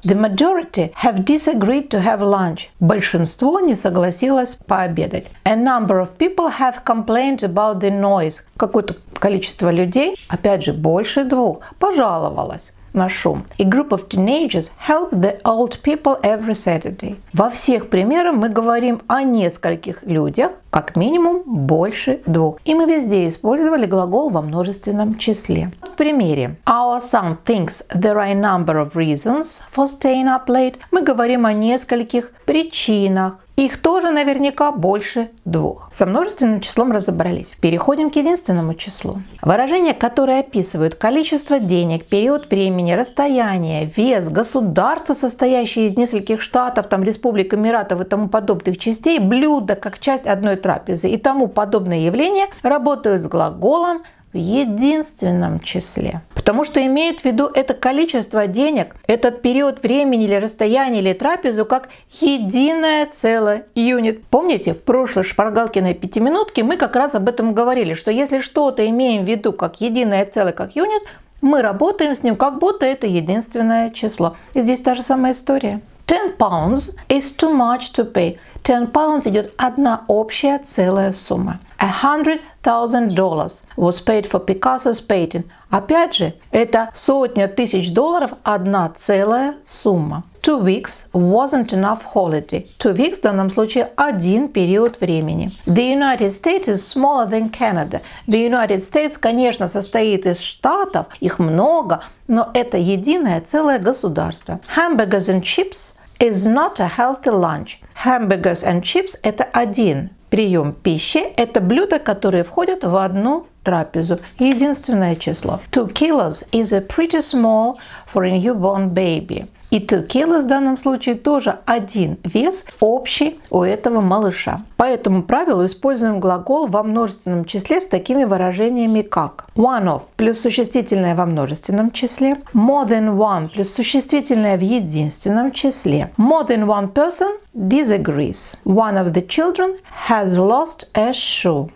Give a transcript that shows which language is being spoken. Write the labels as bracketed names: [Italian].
[English] The majority have disagreed to have lunch. [Russian] Большинство не согласилось пообедать. [English] A number of people have complained about the noise. [Russian] Какое-то количество людей, опять же, больше двух, пожаловалось на шум. [English] A group of teenagers help the old people every Saturday. [Russian] Во всех примерах мы говорим о нескольких людях, как минимум больше двух. И мы везде использовали глагол во множественном числе. В примере. [English] Our son thinks there are a number of reasons for staying up late. [Russian] Мы говорим о нескольких причинах. Их тоже наверняка больше двух. Со множественным числом разобрались. Переходим к единственному числу. Выражения, которые описывают количество денег, период времени, расстояние, вес, государство, состоящее из нескольких штатов, там, республик, эмиратов и тому подобных частей, блюда как часть одной трапезы и тому подобные явления, работают с глаголом в единственном числе. Потому что имеют в виду это количество денег, этот период времени или расстояние или трапезу как единое целое юнит. Помните, в прошлой шпаргалкиной пятиминутке мы как раз об этом говорили, что если что-то имеем в виду как единое целое, как юнит, мы работаем с ним, как будто это единственное число. И здесь та же самая история. [English] 10 pounds is too much to pay. 10 pounds [Russian] идет одна общая целая сумма. [English] $100,000 was paid for Picasso's painting. [Russian] Опять же, это сотня тысяч долларов, одна целая сумма. [English] 2 weeks wasn't enough holiday. 2 weeks [Russian] в данном случае один период времени. [English] The United States is smaller than Canada. The United States, [Russian] конечно, состоит из штатов, их много, но это единое целое государство. [English] Hamburgers and chips is not a healthy lunch. Hamburgers and chips [Russian] – это один прием пищи. Это блюда, которые входят в одну трапезу. Единственное число. [English] 2 kilos is a pretty small for a newborn baby. [Russian] И [English] 2 kilos [Russian] в данном случае тоже один вес общий у этого малыша. По этому правилу используем глагол во множественном числе с такими выражениями как one of плюс существительное во множественном числе, [English] more than one плюс существительное в единственном числе, more than one person disagrees, one of the children has lost a shoe.